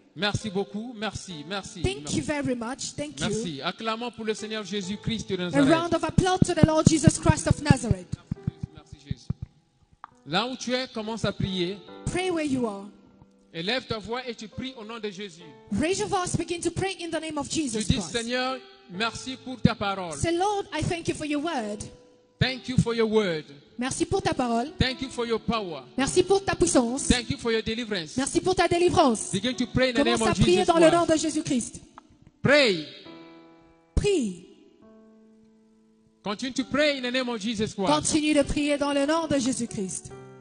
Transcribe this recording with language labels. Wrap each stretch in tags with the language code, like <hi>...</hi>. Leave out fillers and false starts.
<fr>Merci beaucoup. Merci.</fr> <en>Thank</en> <fr>merci.</fr> <en>You very much. Thank</en> <fr>merci.</fr> <en>You.</en> <fr>Acclamons pour le Seigneur Jésus-Christ de Nazareth.</fr> <en>A round of applause to the Lord Jesus Christ of Nazareth.</en> <fr>Merci Jésus. Là où tu es, commence à prier.</fr> <en>Pray where you are.</en> <fr>Élève ta voix et tu pries au nom de Jésus.</fr> <en>Raise your voice, begin to pray in the name of Jesus Christ.</en> <fr>Tu dis, Seigneur, merci pour ta parole.</fr> <en>Say, Lord, I thank you for your word. Thank you for your word.</en> <fr>Merci pour ta parole.</fr> <en>Thank you for your power.</en> <fr>Merci pour ta puissance.</fr> <en>Thank you for your deliverance.</en> <fr>Merci pour ta délivrance.</fr> <en>Begin to pray in the</en> <fr>Commence</fr> <en>name of</en> <fr>à prier</fr> <en>Jesus</en> <fr>dans le nom de Jésus Christ.</fr> <en>Pray.</en> <fr>Prie.</fr> <en>Continue to pray in the name of Jesus Christ.</en> <fr>Continue de prier dans le nom de Jésus Christ.</fr>